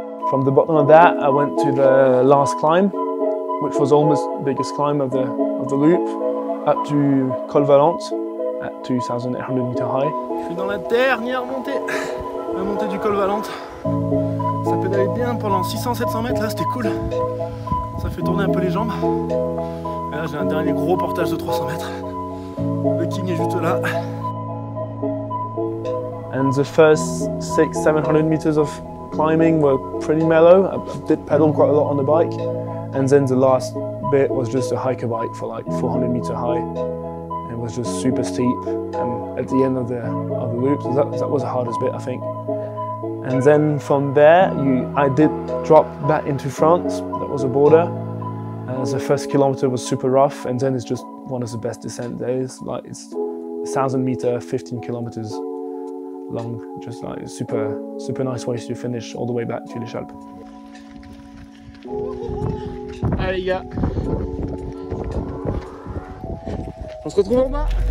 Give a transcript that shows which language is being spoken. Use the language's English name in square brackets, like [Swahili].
[English] From the bottom of that, I went to the last climb, which was almost the biggest climb of the loop, up to Col Valente at 2,800 meters high. [French] Je suis dans la dernière montée, la montée du Col Valente. Ça pédalait bien pendant 600-700 mètres, là c'était cool. Ça fait tourner un peu les jambes. Et là j'ai un dernier gros portage de 300 mètres. Le king est juste là. [English] And the first 600-700 meters of climbing were pretty mellow. I did pedal quite a lot on the bike. And then the last bit was just a hiker bike for like 400 meter high. It was just super steep. And at the end of the loop, that was the hardest bit, I think. And then from there, I did drop back into France. That was a border. The first kilometer was super rough. And then it's just one of the best descent days. Like it's 1,000 meter, 15 kilometers. Long, just like super, super nice way to finish all the way back to the Alps. [French] Allez, les gars, on se retrouve en bas.